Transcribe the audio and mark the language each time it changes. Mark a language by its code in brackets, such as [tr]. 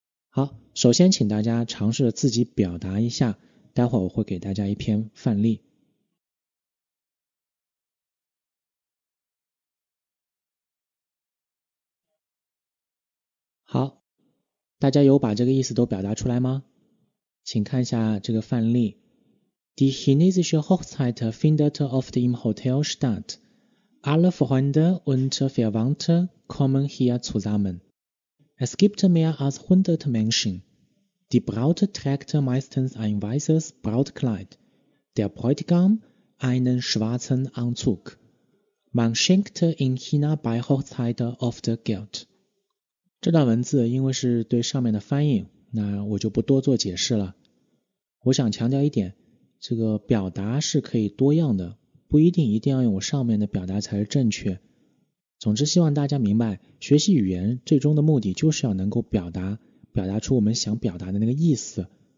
[zh] 好，首先请大家尝试着自己表达一下，待会儿我会给大家一篇范例。好，大家有把这个意思都表达出来吗？请看一下这个范例。 [de] Die chinesische Hochzeit findet oft im Hotel statt. Alle Freunde und Verwandte kommen hier zusammen. Es gibt mehr als 100 Menschen. Die Braut trägt meistens ein weißes Brautkleid, der Bräutigam einen schwarzen Anzug. Man schenkt in China bei Hochzeit oft Geld. [zh] 这段文字因为是对上面的翻译，那我就不多做解释了。我想强调一点，这个表达是可以多样的，不一定一定要用我上面的表达才是正确。总之希望大家明白，学习语言最终的目的就是要能够表达出我们想表达的那个意思。